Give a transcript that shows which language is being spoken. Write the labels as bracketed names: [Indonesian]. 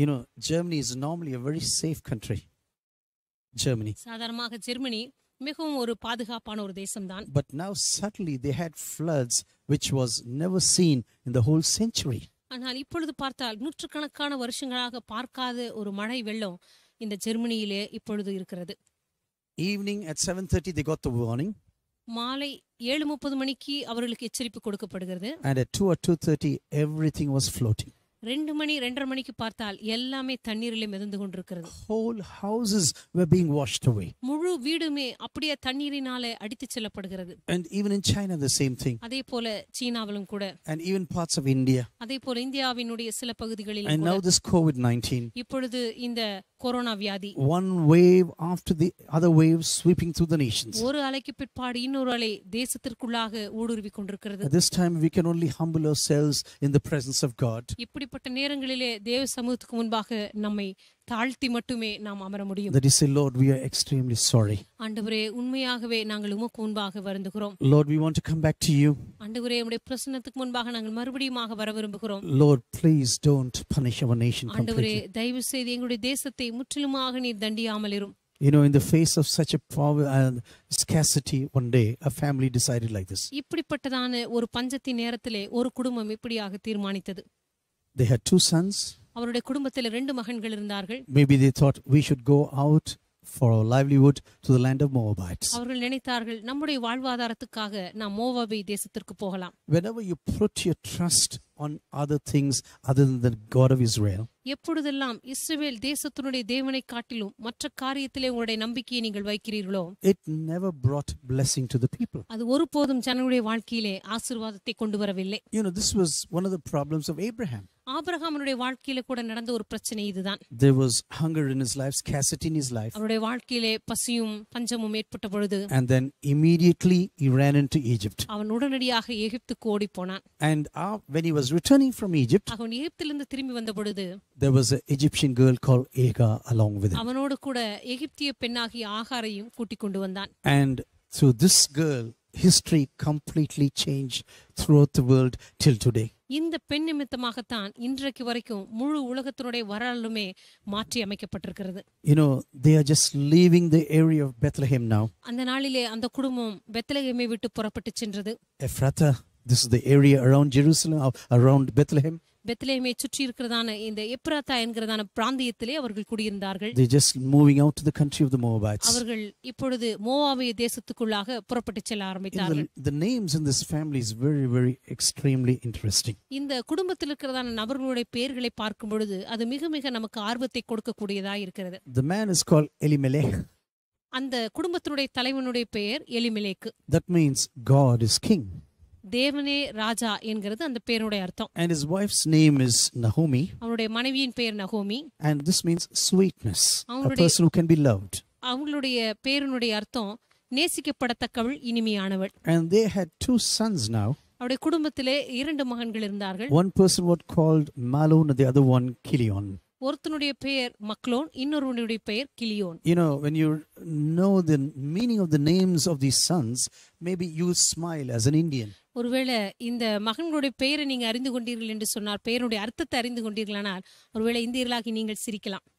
[English] You know, Germany is normally a very safe country. Germany [Tamil] சாதாரணமாக Germany மிகவும் ஒரு பாதுகாப்பான ஒரு தேசம்தான். [English] But now suddenly they had floods which was never seen in the whole century. [Tamil] ஆனால் இப்பொழுது பார்த்தால் நூற்றுக்கணக்கான வருஷங்களாக பார்க்காத ஒரு மழை வெள்ளம் இந்த ஜெர்மனியிலே இப்பொழுது இருக்கிறது. [English] Evening at 7:30 they got the warning. [Tamil] மாலை 7:30 மணிக்கு அவர்களுக்கு எச்சரிப்பு கொடுக்கப்படுகிறது. [English] And at 2 or 2:30 everything was floating. [Tamil] 2 மணி 2.5 மணிக்கு பார்த்தால் எல்லாமே தண்ணீரிலே மிதந்து கொண்டிருக்கிறது. [English] Whole houses were being washed away. [Tamil] முழு வீடுமே அப்படியே தண்ணீரினாலே அடித்து செல்லப்படுகிறது. [English] And even in China the same thing. [Tamil] அதே போல சீனாவிலும் கூட. [English] And even parts of India. [Tamil] அதே போல இந்தியாவினுடைய சில பகுதிகளிலும் கூட. [English] And now this COVID-19. [Tamil] இப்பொழுது இந்த கொரோனா வியாதி. [English] One wave after the other wave sweeping through the nations. [Tamil] ஒரு அலைக்கு பிற்பாடு இன்னொரு அலை தேசத்திற்குள்ளாக ஊடுருவி கொண்டிருக்கிறது. [English] At this time we can only humble ourselves in the presence of God. [Tamil] இப்படிப்பட்ட நேரங்களிலே தேவ சமூகத்துக்கு முன்பாக நம்மை தாழ்த்தி மட்டுமே நாம் அமர முடியும். [English] That is the Lord we are extremely sorry. [Tamil] ஆண்டவரே உண்மையாகவே நாங்கள் உமக்கு முன்பாக வருந்துகிறோம். [English] Lord we want to come back to you. [Tamil] ஆண்டவரே உம்முடைய பிரசன்னத்துக்கு முன்பாக நாங்கள் மறுபடியும் வர விரும்புகிறோம். [English] Lord please don't punish our nation completely. [Tamil] ஆண்டவரே தயவு செய்து எங்களுடைய தேசத்தை முற்றிலுமாக நீர் தண்டியாமல் இரும். [English] You know, in the face of such a power and scarcity, one day a family decided like this. [Tamil] இப்படிப்பட்டதான ஒரு பஞ்சத்தின் நேரத்திலே ஒரு குடும்பம் இப்படியாக தீர்மானித்தது. [English] They had 2 sons. [Tamil] அவருடைய குடும்பத்தில் 2 மகன்கள் இருந்தார்கள். [English] Maybe they thought we should go out for our livelihood to the land of Moabites. [Tamil] அவர்கள் நினைத்தார்கள் நம்முடைய வாழ்வாதாரத்துக்காக நாம் மோவாபை தேசத்திற்கு போகலாம். [English] Whenever you put your trust on other things other than the God of Israel. [Tamil] எப்பொழுதெல்லாம் இஸ்ரவேல் தேசத்தினுடைய தேவனை காட்டிலும் மற்ற காரியத்திலே உங்களுடைய நம்பிக்கையை நீங்கள் வைக்கிறீர்களோ [English] it never brought blessing to the people. [Tamil] அது ஒருபோதும் ஜனங்களுடைய வாழ்க்கையிலே ஆசீர்வாதத்தை கொண்டு வரவில்லை. [English] You know, this was one of the problems of Abraham. [Tamil] ஆபிரகாமுடைய வாழ்க்கையில கூட நடந்த ஒரு பிரச்சனை இதுதான். [English] There was hunger in his life, scarcity in his life. [Tamil] அவருடைய வாழ்க்கையிலே பசியும் பஞ்சமும் ஏற்பட்ட பொழுது [English] and then immediately he ran into Egypt. [Tamil] அவன் உடனடியாக எகிப்துக்கு ஓடி போனான். [English] And when he was returning from Egypt, [Tamil] அவன் எகிப்திலிருந்து திரும்பி வந்த பொழுது [English] there was an Egyptian girl called Aga along with him. [Tamil] அவனோடு கூட எகிப்திய பெண்ணாகிய ஆகாரையும் கூட்டிக் கொண்டு வந்தான். [English] And through this girl history completely changed throughout the world till today. [Tamil] இந்த பெண் நிமித்தமாகத்தான் இன்றைக்கு வரைக்கும் முழு உலகத்தினுடைய வரலாறுமே மாற்றி அமைக்கப்பட்டிருக்கிறது. [English] You know, they are just leaving the area of Bethlehem now. [Tamil] அந்த நாளிலே அந்த குடும்பம் பெத்லகேமை விட்டு புறப்பட்டு சென்றது. [English] Ephrathah, this is the area around Jerusalem, around Bethlehem. [Tamil] பெத்லகேமை சுற்றி இருக்கிறதான இந்த எப்ராத்தா என்கிறதான பிராந்தியத்திலே அவர்கள் குடியிருந்தார்கள். [English] They just moving out to the country of the Moabites. [Tamil] அவர்கள் இப்பொழுது மோவாபிய தேசத்துக்குள்ளாக புறப்பட்டு செல்ல ஆரம்பித்தார்கள். [English] The names in this family is very very extremely interesting. [Tamil] இந்த குடும்பத்தில் இருக்கிறதான நபர்களுடைய பெயர்களை பார்க்கும் பொழுது அது மிக மிக நமக்கு ஆர்வத்தை கொடுக்க கூடியதாக இருக்கிறது. [English] The man is called Elimelech. [Tamil] அந்த குடும்பத்தினுடைய தலைவனுடைய பெயர் Elimelech. [English] That means God is king. [Tamil] தேவனே ராஜா என்கிறது அந்த பெயருடைய அர்த்தம். [English] And his wife's name is Naomi. [Tamil] அவருடைய மனைவியின் பெயர் நகோமி. [English] And this means sweetness. A person who can be loved. [Tamil] அவங்களுடைய பெயருடைய அர்த்தம் நேசிக்கப்படத்தக்கவள் இனிமையானவள். [English] And they had 2 sons now. [Tamil] அவருடைய குடும்பத்திலே 2 மகன்கள் இருந்தார்கள். [English] One person was called Malon and the other one Kilion. [Tamil] ஒருத்தனுடைய பெயர் மக்ளோன் இன்னொருவனுடைய பெயர் Chilion. [English] You know, when you know the meaning of the names of these sons, maybe you smile as an Indian. [Tamil] ஒருவேளை இந்த மகன்களுடைய பெயரை நீங்க அறிந்து கொண்டீர்கள் என்று சொன்னார் பெயருடைய அர்த்தத்தை அறிந்து கொண்டீர்களானால் ஒருவேளை இந்தியர்களாக நீங்கள் சிரிக்கலாம்.